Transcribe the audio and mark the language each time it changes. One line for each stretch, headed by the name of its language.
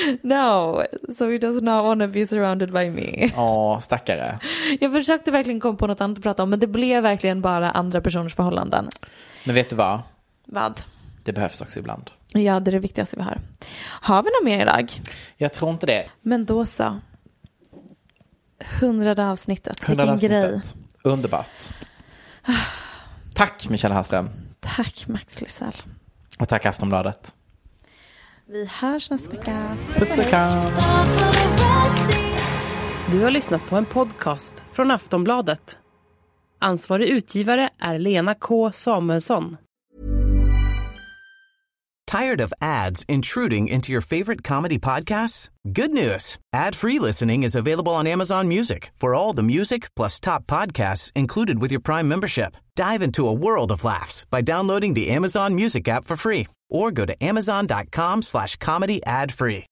English: No, so he does not want to be surrounded by me.
Swedish: Åh, stackare. Jag försökte verkligen komma på något annat att prata om, men det blev verkligen bara andra personers förhållanden. Men vet du vad? Vad? Det behövs också ibland. Ja, det är det viktigaste vi har. Har vi något mer idag? Jag tror inte det. Men då så. 100 avsnittet. 100 vilken avsnittet. Grej. Underbart. Tack, Michelle Hallström. Tack, Max Lysell. Och tack, Aftonbladet. Vi hörs nästa vecka. Puss och kram. Du har lyssnat på en podcast från Aftonbladet. Ansvarig utgivare är Lena K. Samuelsson.
English: Tired of ads intruding into your favorite comedy podcasts? Good news! Ad-free listening is available on Amazon Music for all the music plus top podcasts included with your Prime membership. Dive into a world of laughs by downloading the Amazon Music app for free or go to amazon.com/comedyadfree.